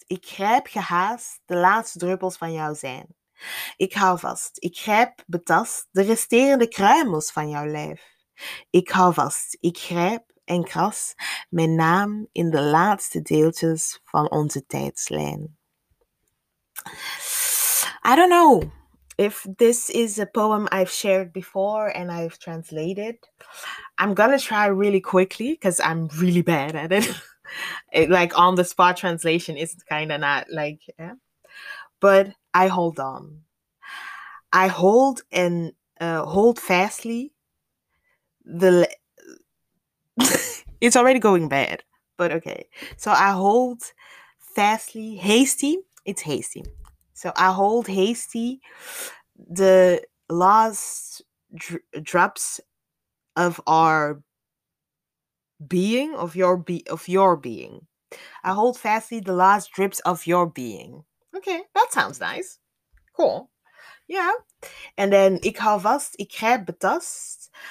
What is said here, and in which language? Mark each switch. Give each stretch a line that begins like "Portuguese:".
Dutch: Ik grijp gehaast de laatste druppels van jouw zijn. Ik hou vast. Ik grijp betast de resterende kruimels van jouw lijf. Ik hou vast. Ik grijp en kras mijn naam in de laatste deeltjes van onze tijdslijn.
English: I don't know if this is a poem I've shared before and I've translated. I'm gonna try really quickly because I'm really bad at it. It, like, on the spot translation is kind of not like, yeah. But I hold on. I hold and hold fastly the it's already going bad, but okay. So I hold fastly, hasty, it's hasty. So I hold hasty the last drops of our being, of your being. I hold fastly the last drips of your being. Okay, that sounds nice. Cool. Yeah. And then
Dutch: ik hou vast, ik grijp betast.